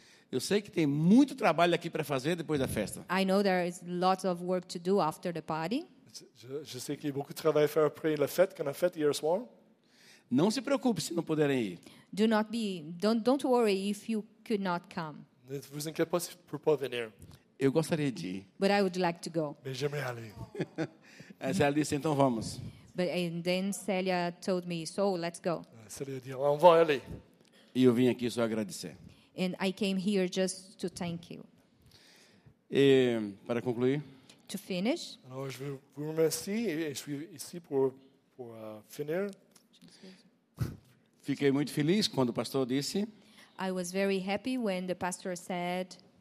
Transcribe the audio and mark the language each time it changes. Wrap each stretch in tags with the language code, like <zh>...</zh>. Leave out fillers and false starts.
<pt>Eu sei que tem muito trabalho aqui para fazer depois da festa.</pt> <en>I know there is lots of work to do after the party.</en> <fr>Je sais qu'il y a beaucoup de travail à faire après la fête, quand la fête hier soir.</fr> <pt>Não se preocupe se não puderem ir.</pt> <en>Don't worry if you could not come.</en> <fr>Ne vous inquiétez pas si vous ne pouvez pas venir.</fr> <pt>Eu gostaria de ir.</pt> <en>But I would like to go.</en> <fr>Mais j'aimerais aller.</fr> <pt>Aí Célia disse, então vamos.</pt> <en>But and then Célia told me, so let's go.</en> <pt>Célia disse,</pt> <fr>on va aller.</fr> <pt>E eu vim aqui só agradecer.</pt> <en>And I came here just to thank you.</en> <pt>E, para concluir.</pt> <en>To finish.</en> <fr>Alors, je vous remercie et je suis ici pour finir.</fr> <pt>Fiquei muito feliz quando o pastor disse.</pt> <en>I was very happy when the pastor said.</en>